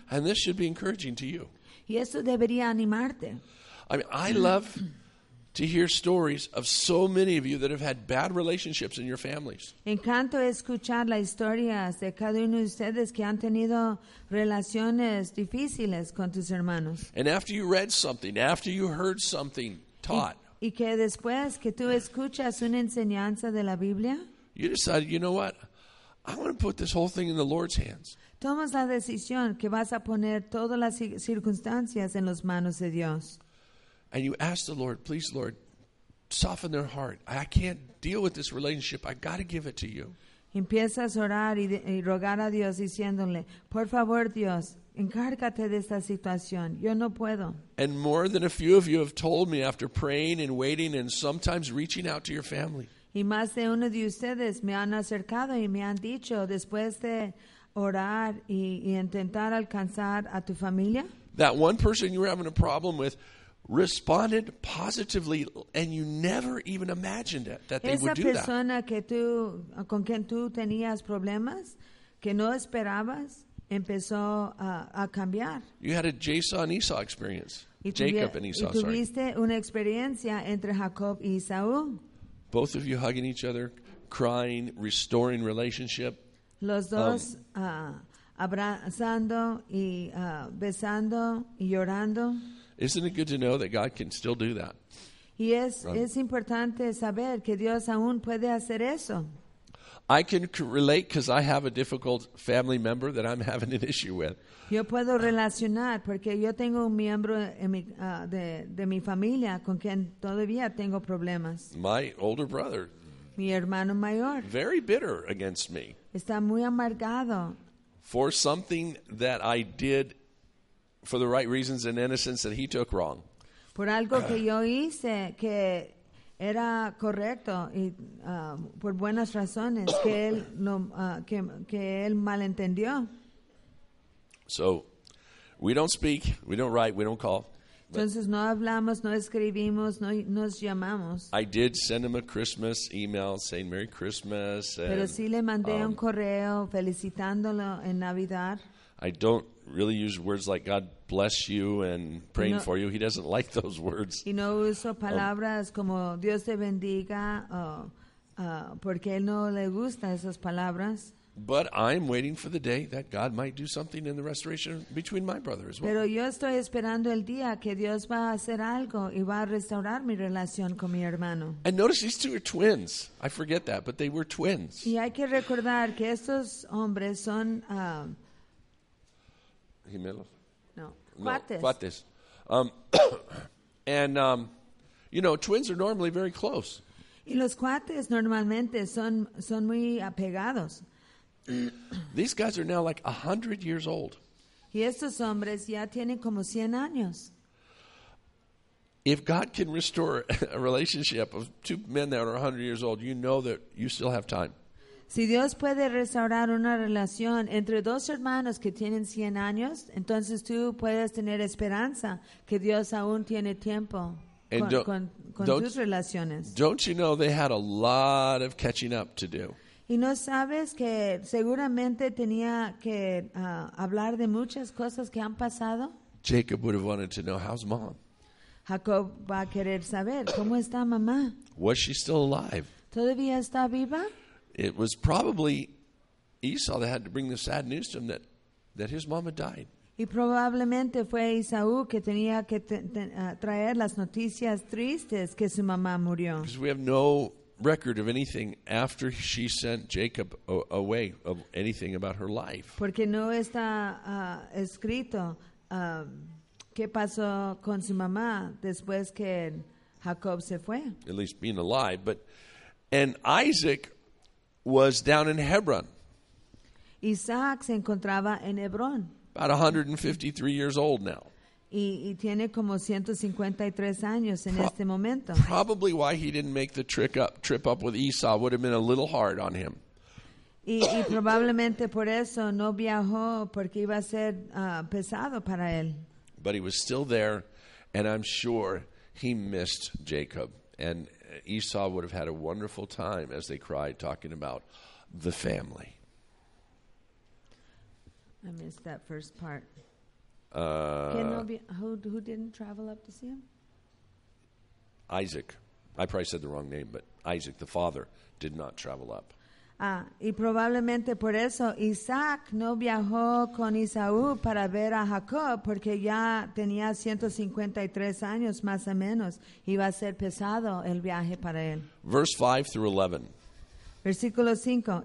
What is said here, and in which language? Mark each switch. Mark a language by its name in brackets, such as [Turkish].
[English] And this should be encouraging to you. [Spanish] Y eso debería animarte. [English] I mean, I love to hear stories of so many of you that have had bad relationships in your families. [Spanish] Encanto escuchar las historias de cada uno de ustedes que han tenido relaciones difíciles con tus hermanos. [English] And after you read something, after you heard something taught, [Spanish] y que después que tú escuchas una enseñanza de la Biblia, [English] you decide, you know what? I want to put this whole thing in the Lord's hands. [Spanish] Tomas la decisión que vas a poner todas las circunstancias en las manos de Dios. [English] And you ask the Lord, please, Lord, soften their heart. I can't deal with this relationship. I got to give it to you. [Spanish] Empiezas a orar y rogar a Dios diciéndole, por favor, Dios, encárgate de esta situación. Yo no puedo. [English] And more than a few of you have told me after praying and waiting and sometimes reaching out to your family. [Spanish] Y más de uno de ustedes me han acercado y me han dicho después de orar y intentar alcanzar a tu familia. [English] That one person you were having a problem with responded positively and you never even imagined it, that they [Spanish] esa [English] would do [Spanish] persona [English] that. [Spanish] Que tú, con quien tú tenías problemas que no esperabas empezó a cambiar. [English] You had a Jason Esau experience. Jacob and Esau, [Spanish] y tuviste una experiencia entre Jacob y Esau. [English] Both of you hugging each other, crying, restoring relationship. [Spanish] Los dos abrazando y besando y llorando. [English] Isn't it good to know that God can still do that? [Spanish] Y es importante saber que Dios aún puede hacer eso. [English] I can relate because I have a difficult family member that I'm having an issue with. [Spanish] Yo puedo relacionar porque yo tengo un miembro en mi, de mi familia con quien todavía tengo problemas. [English] My older brother. [Spanish] Mi hermano mayor. [English] Very bitter against me. [Spanish] Está muy amargado. [English] For something that I did for the right reasons and innocence that he took wrong. [Spanish] Por algo que yo hice que era correcto y por buenas razones que él no que él malentendió. [English] So we don't speak, we don't write, we don't call. [Spanish] Entonces no hablamos, no escribimos, no nos llamamos. [English] I did send him a Christmas email saying Merry Christmas. [Spanish] Pero sí le mandé un correo felicitándolo en Navidad. [English] I don't really use words like God bless you and praying for you. He doesn't like those words. [Spanish] Y no uso palabras como Dios te bendiga porque él no le gusta esas palabras. [English] But I'm waiting for the day that God might do something in the restoration between my brother as well. [Spanish] Pero yo estoy esperando el día que Dios va a hacer algo y va a restaurar mi relación con mi hermano. [English] And notice these two are twins. I forget that, but they were twins. [Spanish] Y hay que recordar que estos hombres son gemelos. No, cuates. Cuates. [English] and you know, twins are normally very close. [Spanish] Y los cuates normalmente son muy apegados. [English] These guys are now like 100 years old. [Spanish] Y estos hombres ya tienen como 100 años. [English] If God can restore a relationship of two men that are 100 years old, you know that you still have time. [Spanish] Si Dios puede restaurar una relación entre dos hermanos que tienen 100 años, entonces tú puedes tener esperanza que Dios aún tiene tiempo con tus relaciones. [English] Don't you know they had a lot of catching up to do? [Spanish] Y no sabes que seguramente tenía que hablar de muchas cosas que han pasado. [English] Jacob would have wanted to know, how's mom? [Spanish] Jacob va a querer saber, ¿cómo está mamá? [English] Was she still alive? [Spanish] ¿Todavía está viva? [English] It was probably Esau that had to bring the sad news to him that his mom had died. [Spanish] Y probablemente fue Esaú que tenía que traer las noticias tristes que su mamá murió. [English] Because we have no record of anything after she sent Jacob away, of anything about her life. [Spanish] Porque no está escrito qué pasó con su mamá después que Jacob se fue. [English] At least being alive. And Isaac was down in Hebron. [Spanish] Isaac se encontraba en Hebrón. [English] About 153 years old now. [Spanish] Y tiene como 153 años en este momento. [English] Probably why he didn't make the trip up with Esau would have been a little hard on him. [Spanish] Y probablemente por eso no viajó, porque iba a ser pesado para él. [English] But he was still there, and I'm sure he missed Jacob. And Esau would have had a wonderful time as they cried, talking about the family. I missed that first part. Who didn't travel up to see him? Isaac. I probably said the wrong name, but Isaac, the father, did not travel up. [Spanish] Y probablemente por eso Isaac no viajó con Esaú para ver a Jacob, porque ya tenía 153 años más o menos. Iba a ser pesado el viaje para él. [English] Verse 5 through 11. [Spanish] Versículo 5.